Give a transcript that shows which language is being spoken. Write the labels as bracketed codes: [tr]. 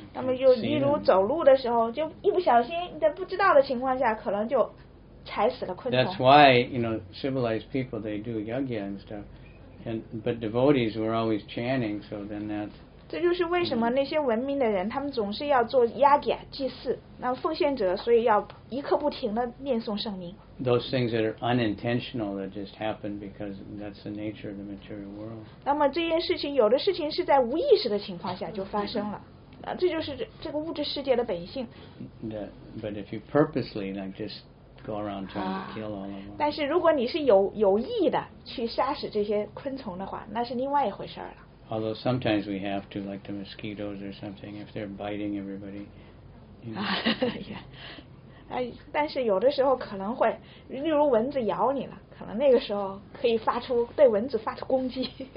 [zh] 那么就一如走路的时候，就一不小心在不知道的情况下，可能就踩死了昆虫。 [en] That's why, you know, civilized people, they do yajna and stuff. But devotees were always chanting, so then that. [zh] 这就是为什么那些文明的人，他们总是要做yajna祭祀，那奉献者，所以要一刻不停的念诵圣名。 [en] Those things that are unintentional that just happen because that's the nature of the material world. [zh] 那么这件事情，有的事情是在无意识的情况下就发生了，这就是这个物质世界的本性。 [en] But if you purposely like just go around trying to kill all of them. [zh] 但是如果你是有意的去杀死这些昆虫的话，那是另外一回事了。 [en] Although sometimes we have to, like the mosquitoes or something, if they're biting everybody. Yeah. [zh] 但是有的时候可能会，例如蚊子咬你了，可能那个时候可以发出对蚊子发出攻击。